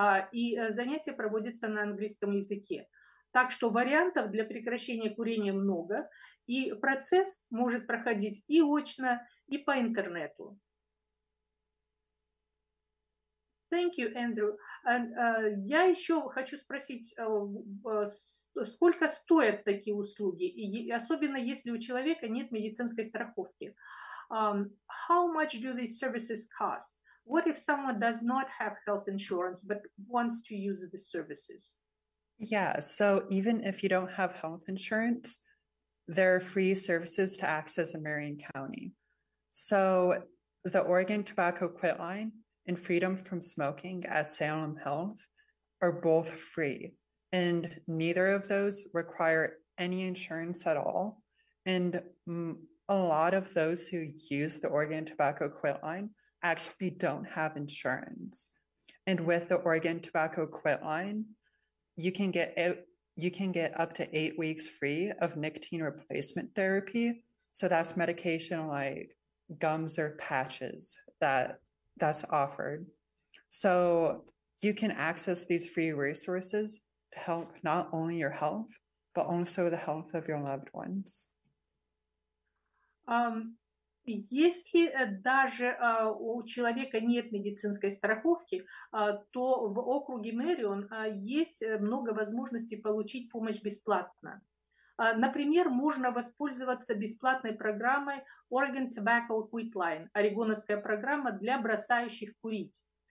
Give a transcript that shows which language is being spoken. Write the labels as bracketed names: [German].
[Russian] И занятия проводятся на английском языке. Так что вариантов для прекращения курения много, и процесс может проходить и очно, и по интернету. [English] Thank you, Andrew. [Russian] Я еще хочу спросить, сколько стоят такие услуги, особенно если у человека нет медицинской страховки. [English] How much do these services cost? What if someone does not have health insurance but wants to use the services? Yeah, so even if you don't have health insurance, there are free services to access in Marion County. So the Oregon Tobacco Quit Line and Freedom from Smoking at Salem Health are both free. And neither of those require any insurance at all. And a lot of those who use the Oregon Tobacco Quit Line actually don't have insurance. And with the Oregon Tobacco Quit Line, you can get up to 8 weeks free of nicotine replacement therapy. So that's medication like gums or patches that's offered. So you can access these free resources to help not only your health, but also the health of your loved ones. [Russian] Если даже у человека нет медицинской страховки, то в округе Мэрион есть много возможностей получить помощь бесплатно. Например, можно воспользоваться бесплатной программой Oregon Tobacco Quitline, орегоновская программа для бросающих курить.